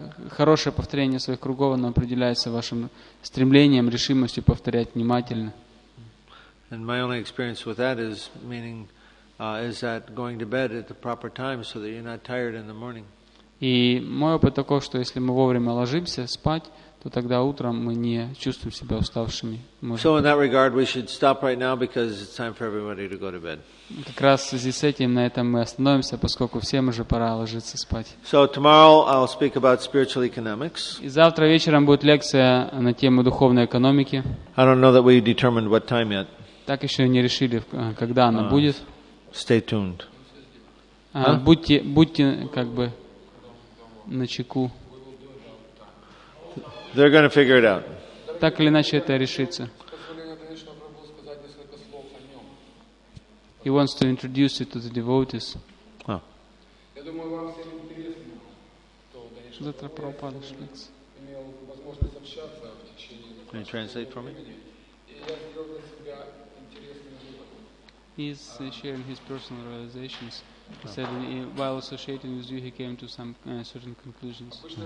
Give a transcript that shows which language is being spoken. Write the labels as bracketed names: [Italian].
[Russian] Хорошее повторение своих кругов оно определяется вашим стремлением, решимостью повторять внимательно. [English] And my only experience with that is meaning is that going to bed at the proper time so that you're not tired in the morning. [Russian] И мой опыт такой, что если мы вовремя ложимся спать, то тогда утром мы не чувствуем себя уставшими. [English] So in that regard, we should stop right now because it's time for everybody to go to bed. [Russian] Как раз в связи с этим на этом мы остановимся, поскольку всем уже пора ложиться спать. [English] So tomorrow I'll speak about spiritual economics. [Russian] И завтра вечером будет лекция на тему духовной экономики. [English] I don't know that we determined what time yet. [Russian] Так еще не решили, когда она будет. [English] Stay tuned. [Russian] Будьте как бы на чеку. [English] They're going to figure it out. [Russian] Так или иначе это решится. [English] He wants to introduce it to the devotees. Oh. [Russian] Я думаю, вам всем интересно, кто, конечно, имел возможность общаться в течение... [English] Can you translate for me? He's sharing his personal realizations. He said while associating with you, he came to some certain conclusions.